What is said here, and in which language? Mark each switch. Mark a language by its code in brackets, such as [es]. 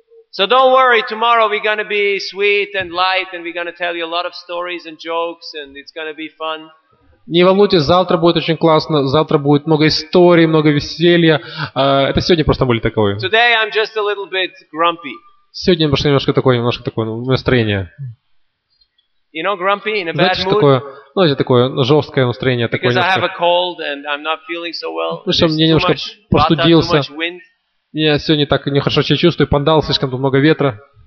[en] So don't worry, tomorrow we're going to be sweet and light and we're going to tell you a lot of stories and jokes and it's going to be fun. [ru] Не волнуйтесь, завтра будет очень классно, завтра будет много историй, много веселья. Это сегодня просто были таковы. [en] Today I'm just a little bit grumpy. [ru] Сегодня просто немножко такое настроение. [en] You know, grumpy, in a bad [ru] mood. Знаете, что такое? Ну, это такое жесткое настроение. [en] Because [ru] такое [en] I have a cold and I'm not feeling so well. [ru] Ну, что, мне немножко простудился. Я сегодня так нехорошо себя чувствую, пандал, слишком тут много ветра.